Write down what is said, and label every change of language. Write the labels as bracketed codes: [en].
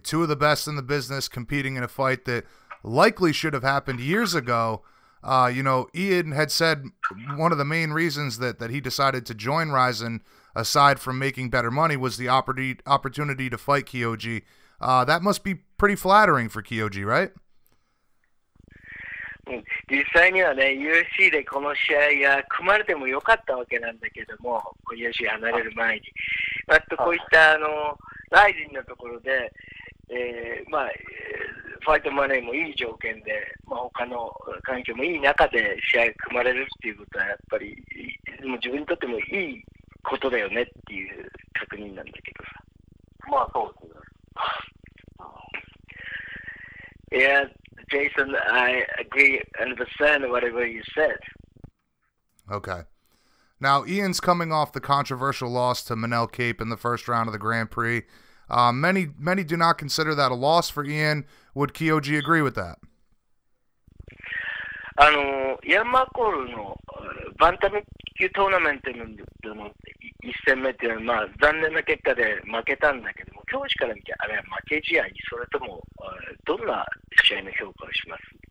[en] Two of the best in the business competing in a fight that likely should have happened years ago. You know, Ian had said one of the main reasons that he decided to join Ryzen, aside from making better money, was the opportunity to fight Kyoji. That must be pretty flattering for Kyoji, right? [ja] 実際にはね、UFC でこの試合が組まれてもよかったわけなんだけども、Kyoji 離れる前に。まっとこういったRyzen のところで、ファイトマネーもいい条件で、まあ、他の環境もいい中で試合が組まれるっていうことはやっぱりもう自分にとってもいいことだよねっていう確認なんだけどさ、まあそうですね。 [en] Yeah, Jason, I agree and understand whatever you said. Okay. Now, Ian's coming off the controversial loss to Manel Cape in the first round of the Grand Prix. Many do not consider that a loss for Ian. Would Kyoji agree with that? [ja] Ian McCall のバンタム級トーナメントの一戦目というのは、まあ、残念な結果で負けたんだけども、教師から見てあれは負け試合、それともどんな試合の評価をします？